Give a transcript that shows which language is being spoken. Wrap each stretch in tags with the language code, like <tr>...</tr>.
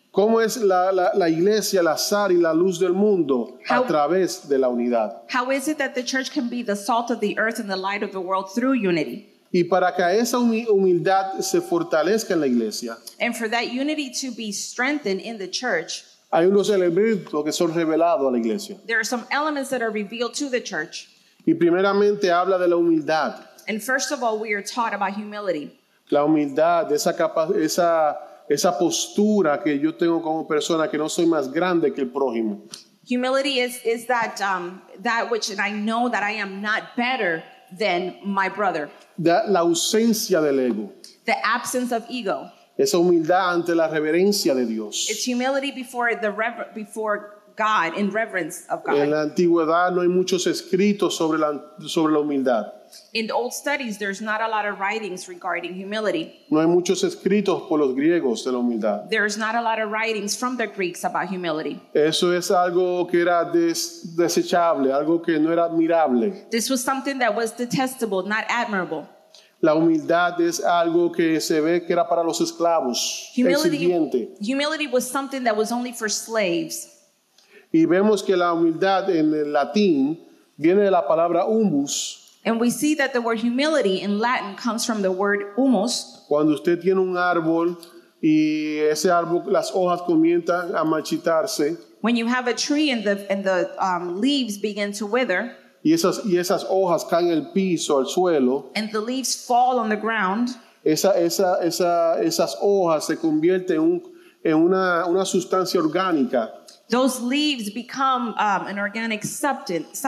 <es>¿Cómo es la iglesia, la sal y la luz del mundo a través de la unidad?</es> <en>How is it that the church can be the salt of the earth and the light of the world through unity?</en> <es>Y para que esa humildad se fortalezca en la iglesia.</es> <en>And for that unity to be strengthened in the church.</en> <es>Hay unos elementos que son revelados a la iglesia.</es> <en>There are some elements that are revealed to the church.</en> <es>Y primeramente habla de la humildad.</es> <en>And first of all, we are taught about humility.</en> <es>La humildad, esa postura que yo tengo como persona, que no soy más grande que el prójimo.</es> <en>Humility is that that which I know that I am not better than my brother.</en> <es>La ausencia del ego.</es> <en>The absence of ego.</en> <es>Esa humildad ante la reverencia de Dios.</es> <en>It's humility before before God, in reverence of God.</en> <es>En la antigüedad no hay muchos escritos sobre la humildad.</es> <en>In the old studies, there's not a lot of writings regarding humility.</en> <es>No hay muchos escritos por los griegos de la humildad.</es> <en>There's not a lot of writings from the Greeks about humility.</en> <es>Eso es algo que era desechable, algo que no era admirable.</es> <en>This was something that was detestable, not admirable.</en> <es>La humildad es algo que se ve que era para los esclavos,</es> <en>humility,</en> <es>el sirviente.</es> <en>Humility was something that was only for slaves.</en> <es>Y vemos que la humildad en el latín viene de la palabra humus.</es> <en>And we see that the word humility in Latin comes from the word humus.</en> <es>Cuando usted tiene un árbol y ese árbol, las hojas comienzan a marchitarse.</es> <en>When you have a tree and the leaves begin to wither.</en> <es>Y esas hojas caen al piso, al suelo.</es> <en>And the leaves fall on the ground.</en> <es>Esas hojas se convierten en una sustancia orgánica. Those leaves become an organic substance.</es>